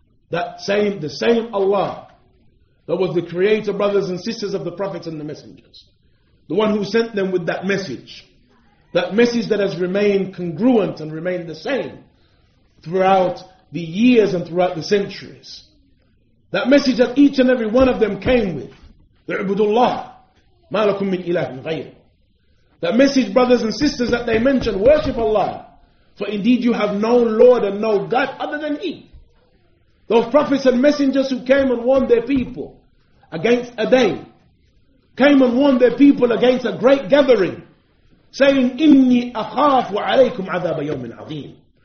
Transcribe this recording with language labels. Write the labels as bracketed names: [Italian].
[English] The same Allah that was the creator, brothers and sisters, of the prophets and the messengers. The one who sent them with that message. That message that has remained congruent and remained the same throughout the years and throughout the centuries. That message that each and every one of them came with. [Arabic] اعبدوا الله ما لكم من إله غيره. [English] That message, brothers and sisters, that they mentioned, worship Allah. For indeed you have no Lord and no God other than He. Those prophets and messengers who came and warned their people against a day, came and warned their people against a great gathering, saying, [Arabic] إِنِّي أَخَافُ عَلَيْكُمْ عَذَابَ يَوْمٍ عَظِيمٍ.